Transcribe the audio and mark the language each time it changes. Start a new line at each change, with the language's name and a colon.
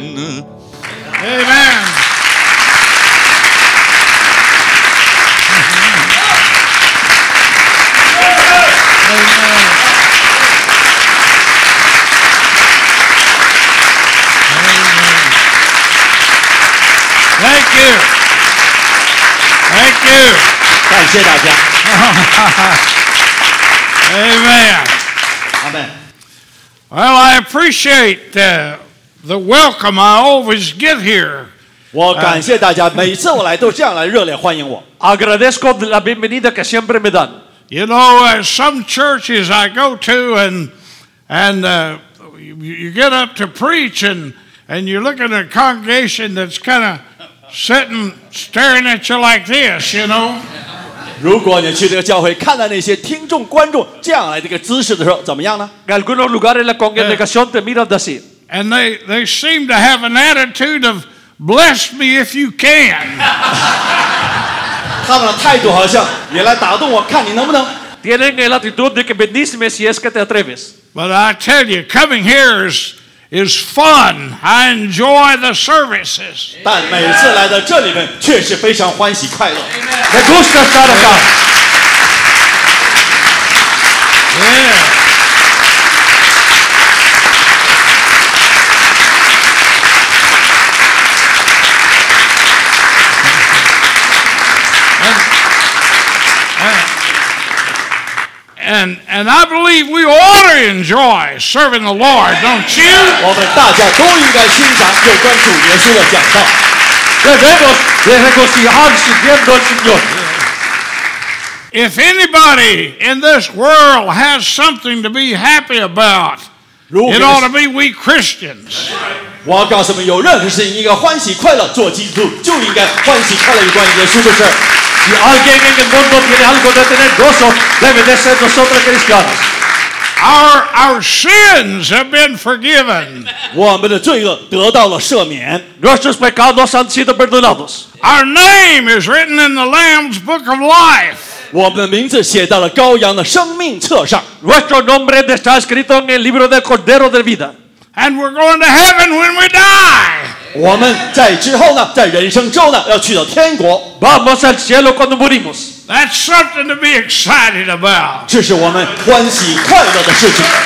English: Amen. Amen. Amen. Thank you. Thank you.
Chinese: 感谢大家。
English: Amen. Amen. Well, I appreciate the welcome I always get here.
Chinese: 我感谢大家，每次我来都这样来热烈欢迎我。
Spanish: Agradezco la bienvenida que siempre me dan.
English: You know, some churches I go to, and you get up to preach, and you look at a congregation that's kind of sitting staring at you like this, you know.
Chinese: 如果你去这个教会，看到那些听众、观众这样来的一个姿势的时候，怎么样呢
Spanish: ？Algunos lugares la congregación te mira así.
English: And they seem to have an attitude of bless me if you can.
Chinese: 他们的态度好像也来打动我，看你能不能。
Spanish: Tienen el actitud de que bendíceme si es que te atreves.
English: But I tell you, coming here is fun. I enjoy the services.
Chinese: 但每次来到这里面，确实非常欢喜快乐。
Spanish: Me gusta estar acá.
English: And I believe we ought to enjoy serving the Lord, don't you?
Chinese: 我们大家都应该欣赏有关主耶稣的讲道。
English: If anybody in this world has something to be happy about, it ought to be we Christians.
Chinese: 我告诉你们，有任何事情应该欢喜快乐，做基督就应该欢喜快乐有关耶稣的事。
Spanish: Si alguien en el mundo tiene algo de tener gozo, debe de ser nosotros cristianos.
English: Our sins have been forgiven.
Chinese: 我们的罪恶得到了赦免。
Spanish: Nuestros pecados han sido perdonados.
English: Our name is written in the Lamb's book of life.
Chinese: 我们的名字写到了羔羊的生命册上。
Spanish: Nuestro nombre está escrito en el libro del Cordero de vida.
English: And we're going to heaven when we die.
Chinese: 我们在之后呢，在人生之后呢，要去到天国。
Spanish: Vamos al cielo cuando morimos.
English: That's something to be excited about.
Chinese: 这是我们欢喜快乐的事情。